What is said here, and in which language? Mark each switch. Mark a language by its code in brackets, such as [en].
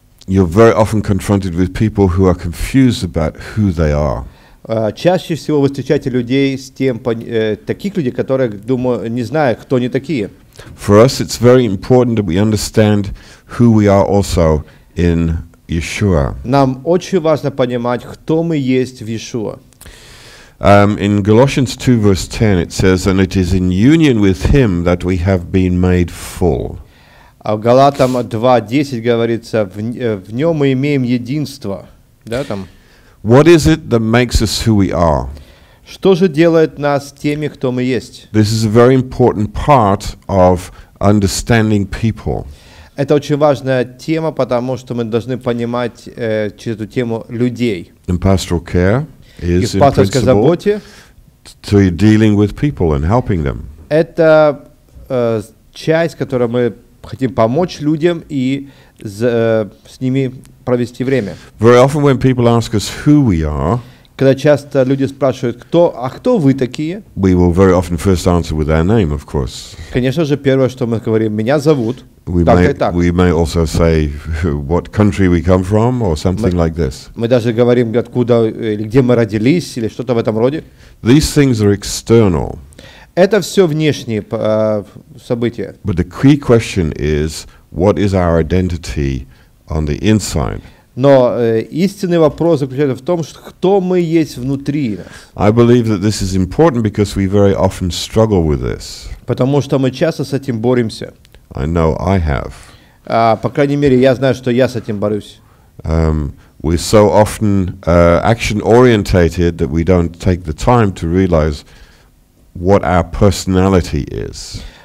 [en] You're very often confronted with people who are confused about who they are. [ru] Чаще всего вы встречаете людей с тем, таких людей, которые, думаю, не знают, кто они такие. [en] For us, it's very important that we understand who we are also in Yeshua. [ru] Нам очень важно понимать, кто мы есть в Yeshua. [en] In Galatians 2, verse 10, it says, "And it is in union with Him that we have been made full." [ru] А в Галатам 2:10 говорится, в нем мы имеем единство, да там. [en] What is it that makes us who we are? [ru] Что же делает нас теми, кто мы есть? [en] This is a very important part of understanding people. [ru] Это очень важная тема, потому что мы должны понимать через эту тему людей. [en] In pastoral care is [ru] в пасторской заботе [en] to dealing with people and helping them. [ru] Это часть, которой мы хотим помочь людям и с ними провести время. [en] Very often when people ask us who we are, [ru] когда часто люди спрашивают, кто вы такие? [en] We will very often first answer with our name, of course. [ru] Конечно же, первое, что мы говорим, меня зовут. [en] We may also say what country we come from or something like this. [ru] Мы даже говорим, откуда или где мы родились или что-то в этом роде. [en] These things are external. [ru] Это все внешние события. [en] But the key question is, what is our identity on the inside? [ru] Но истинный вопрос заключается в том, что кто мы есть внутри. [en] I believe that this is important because we very often struggle with this. [ru] Потому что мы часто с этим боремся. [en] I know I have. [ru] По крайней мере, я знаю, что я с этим борюсь. [en] We're so often action-orientated that we don't take the time to realize what our personality is.